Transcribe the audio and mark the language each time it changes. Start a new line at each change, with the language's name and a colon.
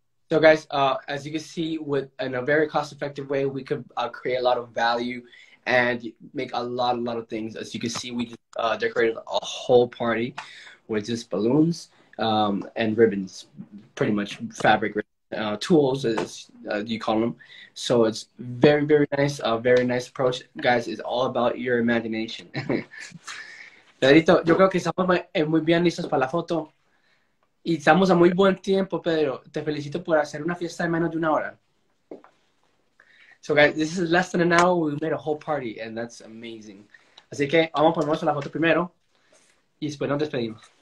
English: So guys, as you can see, in a very cost-effective way, we could create a lot of value and make a lot of things. As you can see, we just decorated a whole party with just balloons. And ribbons, pretty much fabric tools, as you call them. So it's very, very nice, a very nice approach. Guys, it's all about your imagination.
Spanish: Pedrito, yo creo que estamos muy bien listos para la foto. Y estamos a muy buen tiempo, Pedro. Te felicito por hacer una fiesta de menos de una hora.
English: So guys, this is less than an hour. We made a whole party, and that's amazing.
Spanish: Así que vamos a ponernos la foto primero, y después nos despedimos.